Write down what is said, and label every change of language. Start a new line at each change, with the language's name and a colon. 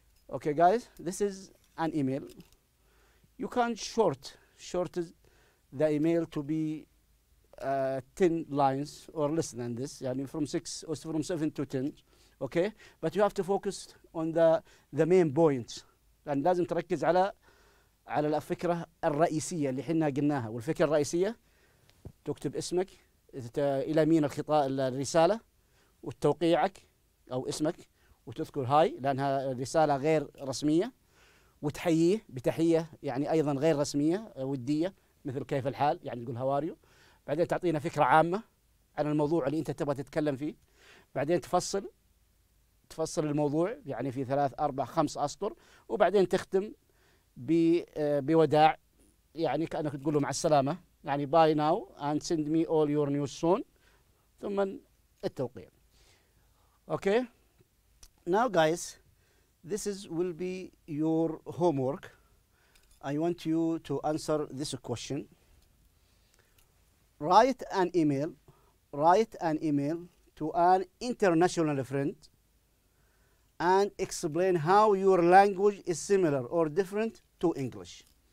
English: Okay, guys, this is an email. You can short the email to be 10 lines or less than this. Yani from 6 or from 7 to 10. Okay, but you have to focus on the main points.
Arabic: يعني لازم تركز على الفكرة الرئيسية اللي حنا قلناها. والفكرة الرئيسية تكتب اسمك إلى مين الرسالة والتوقيعك أو اسمك وتذكر هاي لأنها رسالة غير رسمية وتحييه بتحية يعني أيضا غير رسمية ودية مثل كيف الحال يعني تقول هواريو. بعدين تعطينا فكرة عامة عن الموضوع اللي أنت تبغى تتكلم فيه. بعدين تفصل الموضوع يعني في 3 4 5 أسطر. وبعدين تختم بوداع يعني كأنك تقول له مع السلامة يعني
English: bye now and send me all your news soon
Arabic: ثم التوقيع.
English: Okay, now guys, this is will be your homework. I want you to answer this question. Write an email to an international friend and explain how your language is similar or different to English.